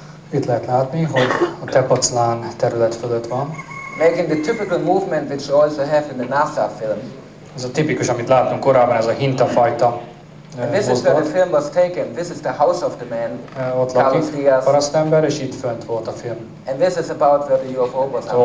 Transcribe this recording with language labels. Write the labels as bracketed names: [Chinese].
[Hungarian] Itt lehet látni, hogy a Tepoztlán terület fölött van. [English] Making the typical movement which you also have in the NASA film. [Hungarian] Ez a tipikus, amit láttunk korábban, ez a hintafajta. [English] And this is where the film was taken. This is the house of the man. [Hungarian] Ott lakik parasztember, és itt fönt volt a film. [English] And this is about where the UFO was.